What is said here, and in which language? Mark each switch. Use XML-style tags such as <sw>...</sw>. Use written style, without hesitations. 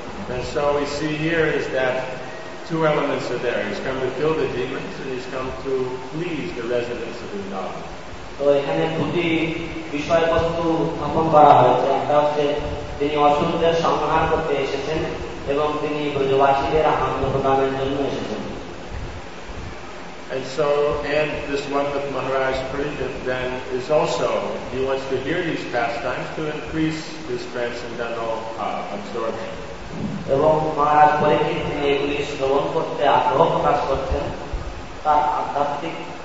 <en>And so we see here is that two elements are there. He's come to kill the demons and he's come to please the residents of Vrindavan.</en> <bn>তো এখানে দুটি বিষয়বস্তু স্থাপন করা হয়েছে. একটা হচ্ছে তিনি অসুরদের সংহার করতে এসেছেন এবং তিনি ব্রজবাসীদের আনন্দ প্রদানের জন্য এসেছেন.</bn> <en>And so, and this one with Maharaj Parikshit then is also, he wants to hear these pastimes to increase his transcendental absorption.</en> <bn>এবং মহারাজ পরীক্ষিত তিনি এগুলি শ্রবণ করতে আগ্রহ প্রকাশ করছেন তার আধ্যাত্মিক</bn>